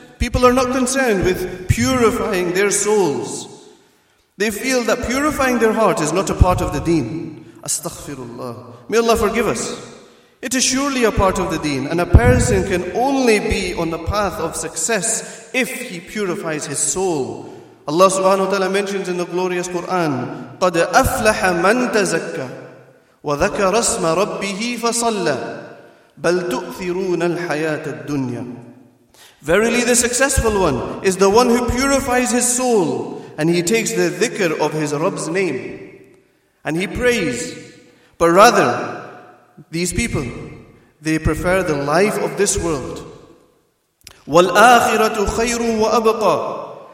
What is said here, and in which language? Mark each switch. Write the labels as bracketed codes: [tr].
[en] People are not concerned with purifying their souls. They feel that purifying their heart is not a part of the deen. Astaghfirullah. May Allah forgive us. It is surely a part of the deen, and a person can only be on the path of success if he purifies his soul. Allah subhanahu wa ta'ala mentions in the glorious Quran, [ar] قَدْ أَفْلَحَ مَنْ تَزَكَّى وَذَكَرَ اسْمَ رَبِّهِ فَصَلَّى بَلْ تُؤْثِرُونَ الْحَيَاةَ الدُّنْيَا. [en] Verily the successful one is the one who purifies his soul, and he takes the dhikr of his Rabb's name, and he prays. But rather, these people, they prefer the life of this world. [ar] وَالْآخِرَةُ خَيْرٌ وَأَبْقَى.